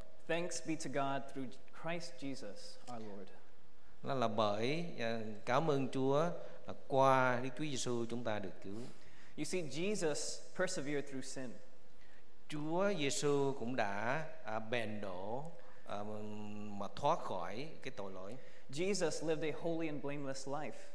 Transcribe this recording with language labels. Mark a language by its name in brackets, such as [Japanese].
[English] Thanks be to God through Christ Jesus our Lord. [Vietnamese] Là bởi cảm ơn Chúa qua Đức Chúa Giêsu chúng ta được cứu. [English] You see, Jesus persevered through sin. [Vietnamese] Chúa Giêsu cũng đã bền đổ mà thoát khỏi cái tội lỗi. [English] Jesus lived a holy and blameless life.